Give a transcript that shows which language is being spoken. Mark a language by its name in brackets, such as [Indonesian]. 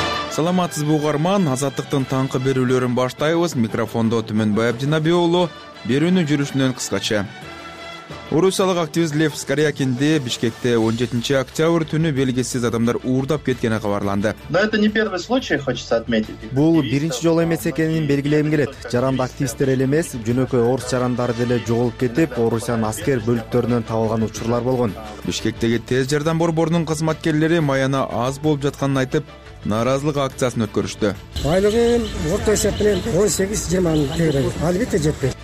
[Kyrgyz] Саламатсызбы угарман, азаттыктын таңкы берүүлөрүн баштайбыз. Микрофондо Түмөнбай Абдинаби уулу, берүүнүн жүрүшүнөн кыскача. Орусиялык активист Лев Скорякинди Бишкекте 17 октябрь түнү белгисиз адамдар уурдап кеткени кабарланды. [Russian] Да это не первый случай, хочется отметить. [Kyrgyz] Бул биринчи жолу эмес экенин белгилегим келет. Жаранды активисттер эле эмес, жөнөкөй орус жарандары деле жоголуп кетип, Орусиянын аскер бөлүктөрүнөн табылган учурлар болгон. Бишкектеги тез жардам борборунун кызматкерлери маяна аз болуп жатканын айтып, нааразылык акциясын өткөрүштү. Айлыгын орто эсеп менен 18-20 мың теңге. Албетте жетпейт.